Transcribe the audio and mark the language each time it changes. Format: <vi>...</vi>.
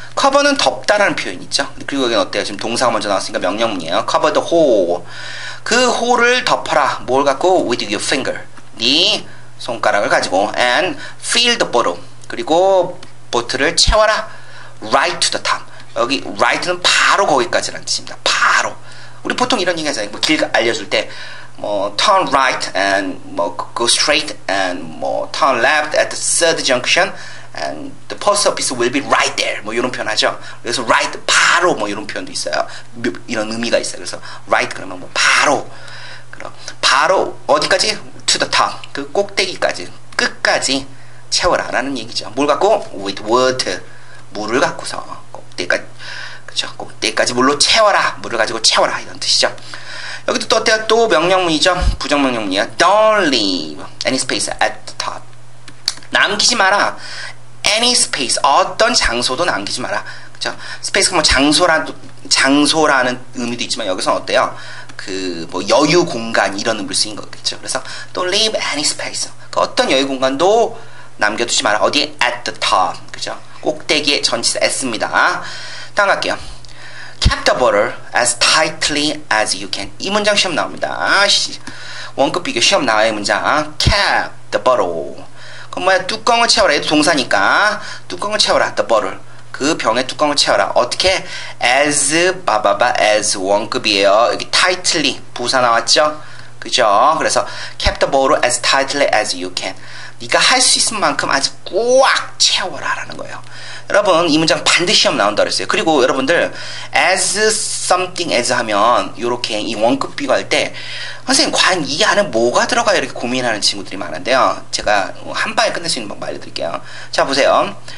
<ko>cover는 덮다라는 표현이 있죠. 그리고 여기는 어때요? 지금 동사가 먼저 나왔으니까 명령문이에요.</ko> <en>cover the hole.</en> <ko>그 홀을 덮어라. 뭘 갖고?</ko> <en>with your finger.</en> <ko>네 손가락을 가지고.</ko> <en>and fill the bottle.</en> <ko>그리고 보트를 채워라. right to the top. 여기 right는 바로 거기까지라는 뜻입니다. 바로. 우리 보통 이런 얘기 하잖아요. 뭐 길 알려줄 때 뭐</ko> <en>turn right and 뭐 go straight and 뭐 turn left at the third junction and the post office will be right there.</en> <ko>뭐 이런 표현 하죠. 그래서 right 바로 뭐 이런 표현도 있어요. 이런 의미가 있어요. 그래서 right 그러면 뭐 바로. 그럼 바로 어디까지?</ko> <en>to the top.</en> <ko>그 꼭대기까지 끝까지 채워라라는 얘기죠. 뭘 갖고?</ko> <en>with water.</en> <ko>물을 갖고서 꼭대기까지. 그렇죠. 꼭대기까지 물로 채워라. 물을 가지고 채워라 이런 뜻이죠. 여기도 또 어때요? 또 명령문이죠. 부정 명령문이에요.</ko> <en>Don't leave any space at the top.</en> <ko>남기지 마라.</ko> <en>Any space.</en> <ko>어떤 장소도 남기지 마라. 그죠? space가 뭐 장소라는 의미도 있지만 여기서는 어때요? 그 뭐 여유 공간 이런 의미로 쓰인 거겠죠. 그래서</ko> <en>don't leave any space.</en> <ko>그 어떤 여유 공간도 남겨두지 마라. 어디?</ko> <en>at the top.</en> <ko>그죠? 꼭대기에 전치사 s입니다. 다음 갈게요.</ko> <en>Cap the bottle as tightly as you can.</en> <ko>이 문장 시험 나옵니다. 원급 비교 시험 나와요, 이 문장.</ko> <en>Cap the bottle.</en> <ko>그럼 뭐야? 뚜껑을 채워라. 얘도 동사니까. 뚜껑을 채워라.</ko> <en>The bottle.</en> <ko>그 병에 뚜껑을 채워라. 어떻게? As, 바바바, as 원급이에요. 여기 tightly. 부사 나왔죠? 그죠? 그래서</ko> <en>cap the bottle as tightly as you can.</en> <ko>네가 할 수 있는 만큼 아주 꽉 채워라. 라는 거예요. 여러분 이 문장 반드시 시험 나온다 그랬어요. 그리고 여러분들 as something as 하면 이렇게 이 원급 비교할 때 선생님 과연 이 안에 뭐가 들어가요 이렇게 고민하는 친구들이 많은데요. 제가 한 방에 끝낼 수 있는 방법 알려드릴게요. 자 보세요.</ko>